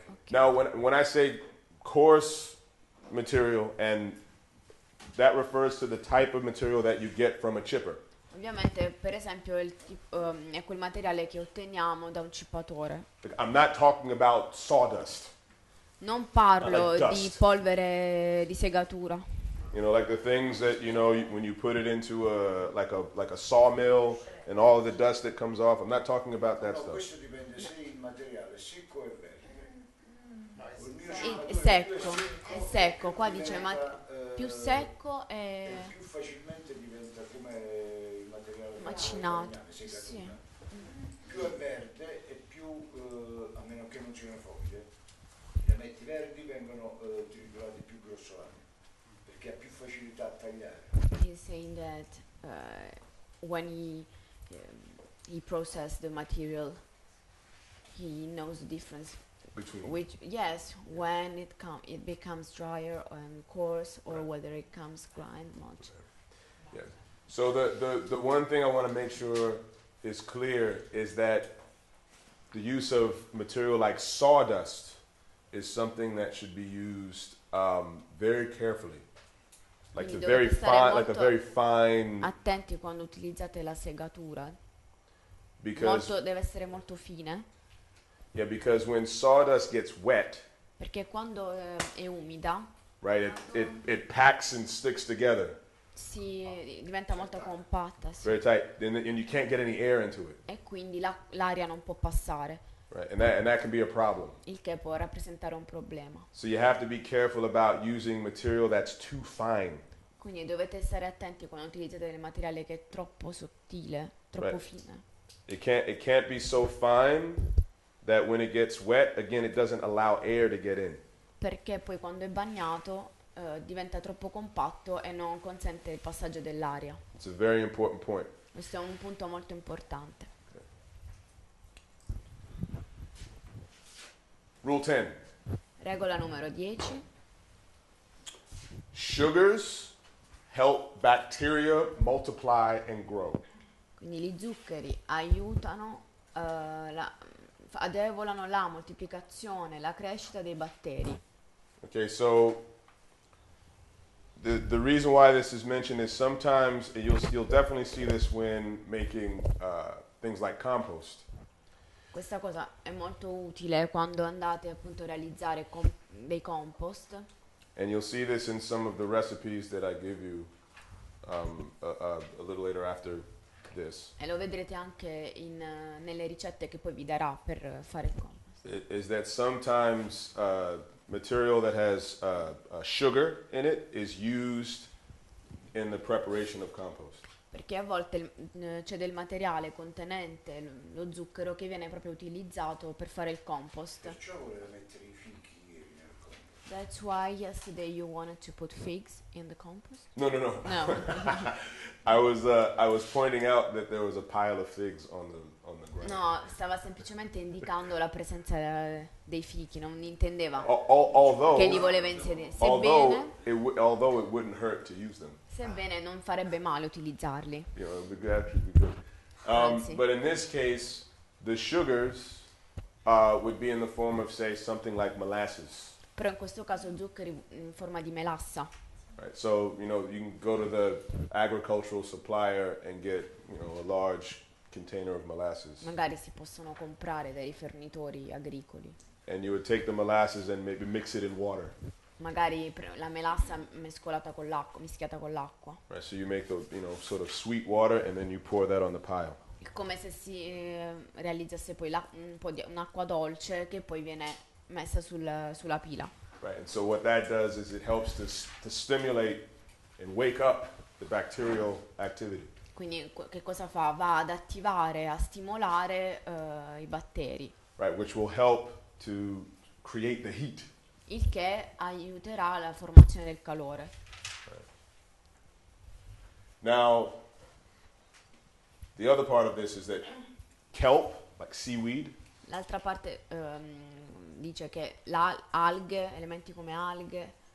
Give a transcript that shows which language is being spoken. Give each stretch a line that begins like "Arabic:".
English: Now when I say coarse material and that refers to the type of material that you get from a chipper.
Italian: Ovviamente, per esempio, è quel materiale che otteniamo da un cippatore.
English: I'm not talking about sawdust.
Italian: Non parlo di polvere di segatura.
English: You know, like the things that you know when you put it into a sawmill and all the dust that comes off. I'm not talking about that stuff.
Italian: Questo dipende sì il materiale secco e verde. È secco. Qua dice ma più secco e più facilmente diventa come il materiale macinato. Sì. Più è verde e più, a meno che non siano foglie, le metti verdi vengono triturati più grossolani perché ha più facilità a tagliare.
English: He's saying that when he processed the material, he knows the difference. Between. Which yes, when it becomes drier and coarse, or right. Whether it comes grind mulch. Yeah. So the one thing I want to make sure is clear is that the use of material like sawdust is something that should be used very carefully, like
Italian: quindi
English: the very fine, like the very fine.
Italian: Attenti quando utilizzate la segatura.
English: Because
Italian: molto, deve essere molto fine.
English: Yeah, because when sawdust gets wet,
Italian: perché quando è umida,
English: right, it packs and sticks together.
Italian: Si diventa molto compatta. Sì.
English: Very tight, and you can't get any air into it.
Italian: E quindi l'aria non può passare.
English: Right, and that can be a problem.
Italian: Il che può rappresentare un problema.
English: So you have to be careful about using material that's too fine.
Italian: Quindi dovete stare attenti quando utilizzate del materiale che è troppo sottile, troppo
English: right. Fine. It can't be so fine that when it gets wet, again, it doesn't allow air to get in.
Italian: Perché poi quando è bagnato diventa troppo compatto e non consente il passaggio dell'aria.
English: It's a very important point.
Italian: Questo è un punto molto importante.
English: Okay. Rule 10.
Italian: Regola numero 10.
English: Sugars help bacteria multiply and grow.
Italian: Quindi gli zuccheri aiutano, agevolano la moltiplicazione, la crescita dei batteri.
English: Okay, so the reason why this is mentioned is sometimes you'll definitely see this when making things like compost.
Italian: Questa cosa è molto utile quando andate appunto a realizzare dei compost.
English: And you'll see this in some of the recipes that I give you a little later after this.
Italian: E lo vedrete anche in nelle ricette che poi vi darà per fare il compost.
English: Is that sometimes material that has sugar in it is used in the preparation of compost.
Italian: Perché a volte c'è del materiale contenente lo zucchero che viene proprio utilizzato per fare il compost. Perciò voleva mettere i fichi.
English: That's why yesterday you wanted to put figs in the compost? No. I was pointing out that there was a pile of figs on the ground.
Italian: No, stava semplicemente indicando la presenza dei fichi, non intendeva.
English: Although,
Italian: che li voleva insedere.
English: Although it wouldn't hurt to use them.
Italian: Sebbene non farebbe male utilizzarli.
English: Yeah, it would be good, actually be good. But in this case, the sugars would be in the form of, say, something like molasses.
Italian: Però in questo caso zuccheri in forma di melassa.
English: Right, so you know you can go to the agricultural supplier and get you know a large container of molasses.
Italian: Magari si possono comprare dai fornitori agricoli.
English: And you would take the molasses and maybe mix it in water.
Italian: Magari la melassa mescolata con l'acqua, mischiata con l'acqua.
English: Right, so you make the you know sort of sweet water and then you pour that on the pile.
Italian: È come se si realizzasse poi un po' di un'acqua dolce che poi viene messa sulla pila.
English: Right, and so what that does is it helps to stimulate and wake up the bacterial activity.
Italian: Quindi che cosa fa? Va ad attivare, a stimolare i batteri.
English: Right, which will help to create the heat.
Italian: Il che aiuterà la formazione del calore.
English: Right. Now, the other part of this is that kelp, like seaweed.
Italian: L'altra parte dice che alghe, elementi come alghe,